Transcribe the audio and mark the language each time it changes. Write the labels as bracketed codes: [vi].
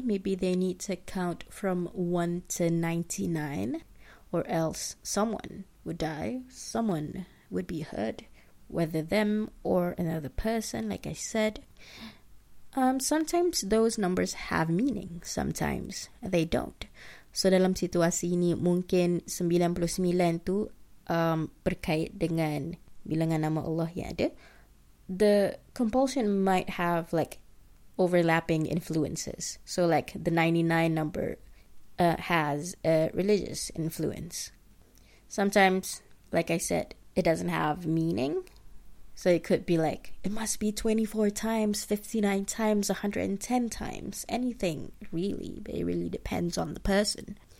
[en] Maybe they need to count from 1 to 99, or else someone would die, someone would be hurt, whether them or another person, like I said. Sometimes those numbers have meaning, sometimes they don't. [ms] So dalam situasi ini mungkin 99 tu berkait dengan bilangan nama Allah yang ada. [en] The compulsion might have like overlapping influences. So like the 99 number has a religious influence. Sometimes, like I said, it doesn't have meaning. So it could be like, it must be 24 times, 59 times, 110 times, anything really, but it really depends on the person.